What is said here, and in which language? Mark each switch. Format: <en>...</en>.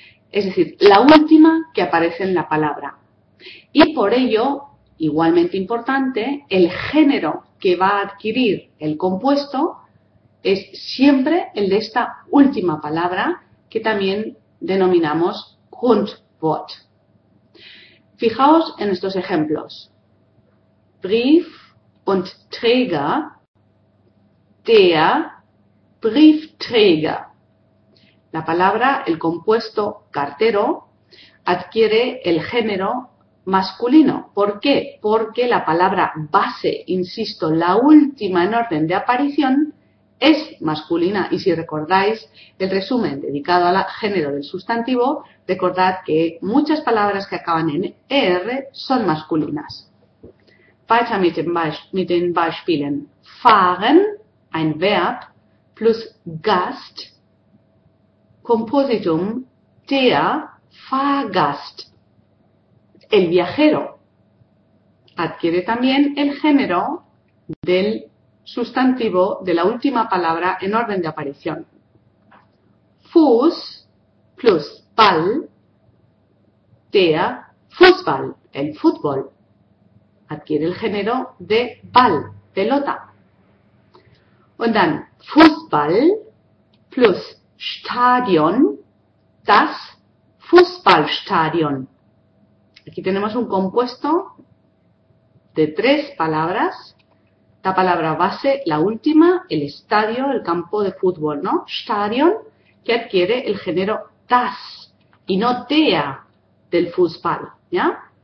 <es>Es decir, la última que aparece en la palabra. Y por ello, igualmente importante, el género que va a adquirir el compuesto es siempre el de esta última palabra, que también denominamos Grundwort. Fijaos en estos ejemplos.</es> <de>Brief und Träger, der Briefträger.</de> <es>La palabra, el compuesto cartero, adquiere el género masculino. ¿Por qué? Porque la palabra base, insisto, la última en orden de aparición, es masculina, y si recordáis el resumen dedicado al género del sustantivo, recordad que muchas palabras que acaban en er son masculinas.</es> <de>Weiter mit den Beispielen. Fahren, ein Verb, plus Gast, Compositum, der Fahrgast.</de> <es>El viajero adquiere también el género del sustantivo de la última palabra en orden de aparición.</es> <de>Fuß plus Ball, der Fußball,</de> <es>el fútbol, adquiere el género de Ball, pelota.</es> <de>Und dann Fußball plus Stadion, das Fußballstadion.</de> <es>Aquí tenemos un compuesto de tres palabras. La palabra base, la última, el estadio, el campo de fútbol, ¿no? Stadion, que adquiere el género das y no der del fútbol, ¿ya?</es>